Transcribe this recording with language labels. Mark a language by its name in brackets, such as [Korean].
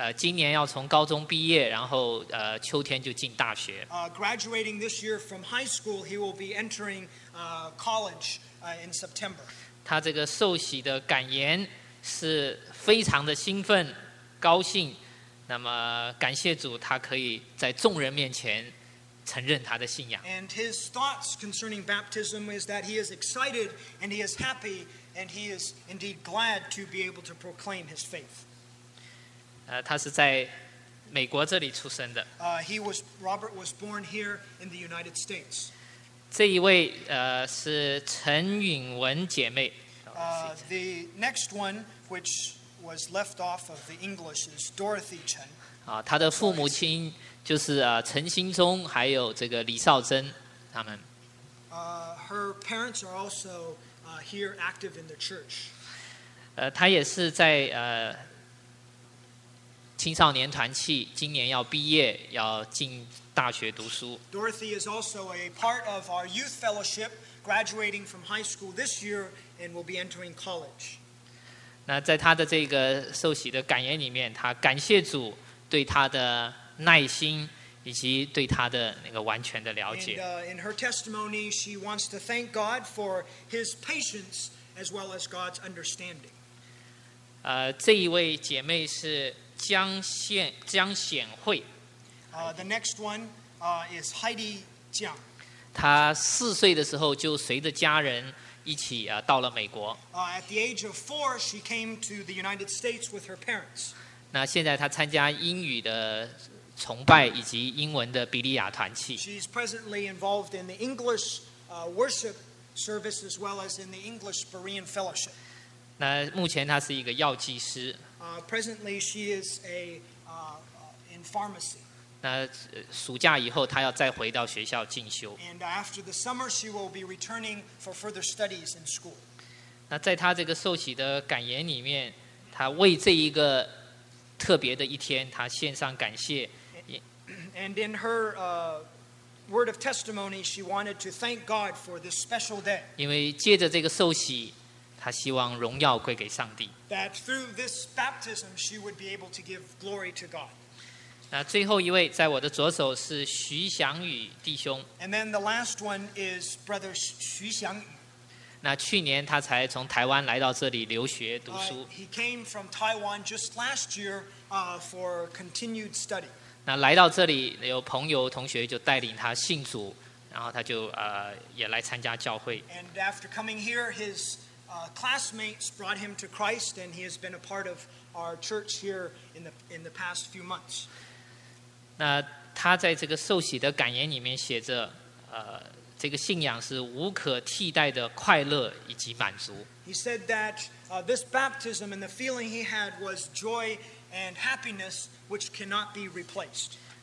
[Chinese] 今年要从高中毕业，然后秋天就进大学。 [English] Graduating this year from high school, he will be entering college in September. [Chinese] 他这个受洗的感言是非常的兴奋、高兴。那么感谢主，他可以在众人面前承认他的信仰。 [English] And his thoughts concerning baptism is that he is excited and he is happy and he is indeed glad to be able to proclaim his faith. [Chinese] 他是在美国这里出生的。 [English] Robert was born here in the United States. [Chinese] 这一位是陈允文姐妹。 [English] The next one, which was left off of the English, is Dorothy Chen. [Chinese] 他的父母亲就是陈新忠还有这个李少珍他们。 [English] Her parents are also here active in the church. [Chinese] 他也是在青少年团契，今年要毕业，要进大学读书。 [English] Dorothy is also a part of our youth fellowship, graduating from high school this year and will be entering college. [Chinese] 那在他的这个受洗的感言里面，他感谢主对他的耐心以及对他的那个完全的了解。 [English] And, in her testimony, she wants to thank God for his patience as well as God's understanding. [Chinese] 这一位姐妹是江显慧。 [English] The next one, is Heidi Jiang. [Chinese] 她四岁的时候就随着家人一起到了美国。 [English] At the age of four, she came to the United States with her parents. [Chinese] 那现在她参加英语的崇拜以及英文的比利亚团契。 [English] She's presently involved in the English worship service as well as in the English Berean Fellowship. [Chinese] 那目前她是一个药剂师。 [English] Presently she is a in pharmacy. [Chinese] 那暑假以后她要再回到学校进修。 [English] And after the summer she will be returning for further studies in school. [Chinese] 那在她这个受洗的感言里面，她为这一个特别的一天，她献上感谢。 [English] And in her word of testimony, she wanted to thank God for this special day. [Chinese] 因为借着这个受洗，她希望荣耀归给上帝。 [English] That through this baptism, she would be able to give glory to God. [Chinese] 那最后一位在我的左手是徐祥宇弟兄。 [English] And then the last one is Brother 徐祥宇。 [Chinese] 那去年他才从台湾来到这里留学读书。 [English] He came from Taiwan just last year for continued study. [Chinese] 那来到这里有朋友同学就带领他信主，然后他就也来参加教会。 [English] And after coming here, his classmates brought him to Christ, and he has been a part of our church here in the past few months. [Chinese] 那他在这个受洗的感言里面写着这个信仰是无可替代的快乐以及满足。 [English] He said that this baptism and the feeling he had was joy and happiness which cannot be replaced.